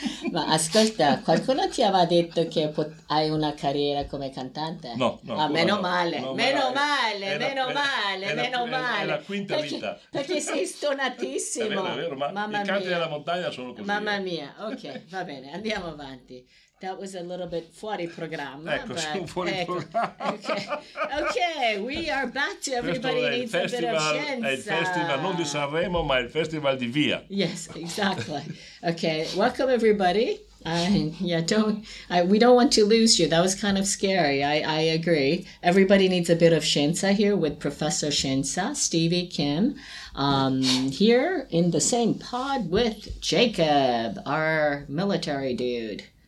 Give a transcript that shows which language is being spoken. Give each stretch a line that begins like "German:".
Italian: Ma ascolta, qualcuno ti aveva detto che hai una carriera come cantante? No, no. Ah, meno male, no, meno male. È la quinta vita. Perché sei stonatissimo. È vero, ma i canti della montagna sono così. Mamma mia, ok, va bene, andiamo avanti.
English: That was a little bit
Italian: fuori programma. Ecco, fuori programma.
English: Okay, we are back to Everybody Needs festival, a Bit of Scienza.
Italian: È il festival, non di Sanremo, ma il festival di Via.
English: Yes, exactly. Okay, welcome everybody. We don't want to lose you. That was kind of scary. I agree. Everybody Needs a Bit of Scienza here with Professor Scienza, Stevie Kim. Here in the same pod with Jacob, our military dude.